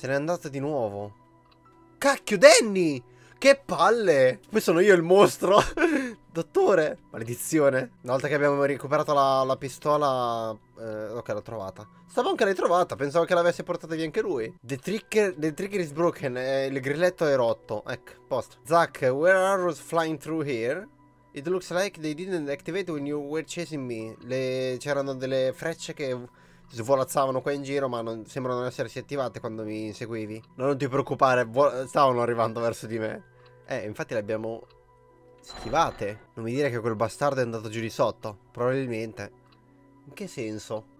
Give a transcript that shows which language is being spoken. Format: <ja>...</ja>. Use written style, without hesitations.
<it>Se n'è andato di nuovo. Cacchio, Danny! Che palle! Poi sono io il mostro! Dottore! Maledizione! Una volta che abbiamo recuperato la pistola. Ok, l'ho trovata. Stavo anche l'hai trovata, pensavo che l'avesse portata via anche lui.</it> <en>The trigger is broken.</en> <it>Il grilletto è rotto. Ecco, posto.</it> <en>Zack, where are arrows flying through here? It looks like they didn't activate when you were chasing me.</en> <it>C'erano delle frecce che svolazzavano qua in giro, ma non sembrano essersi attivate quando mi inseguivi. No, non ti preoccupare, stavano arrivando verso di me. Infatti le abbiamo schivate. Non mi dire che quel bastardo è andato giù di sotto. Probabilmente. In che senso?</it>